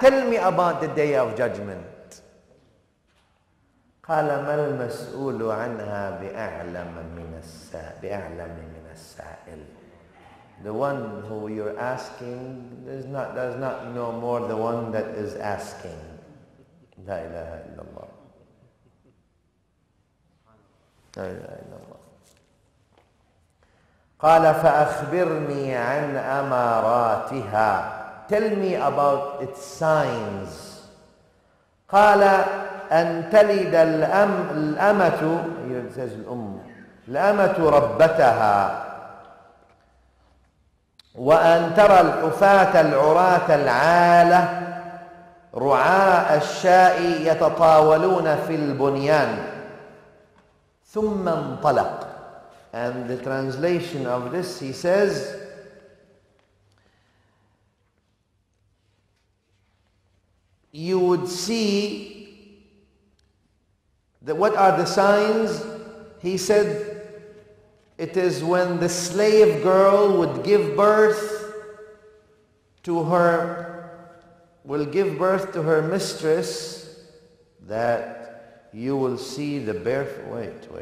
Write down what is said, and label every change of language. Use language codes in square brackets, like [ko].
[en] Tell me about the day of judgment. [ar] قال ما المسؤول عنها بأعلم من السائل. بأعلم من السائل. [en] The one who you're asking does not know more than the one that is asking. [ar] لا إله إلا الله. لا إله إلا الله. قال فأخبرني عن أماراتها. [en] Tell me about its signs. [ar] قال أن تلد الأمة. [en] It says الأم. [ar] الأمة ربتها. وأن ترى الحفاة العراة العالة رعاء الشاء يتطاولون في البنيان. ثم انطلق. [en] And the translation of this, he says, you would see that what are the signs? He said, it is when the slave girl would give birth to her, will give birth to her mistress, that you will see the birth. Wait.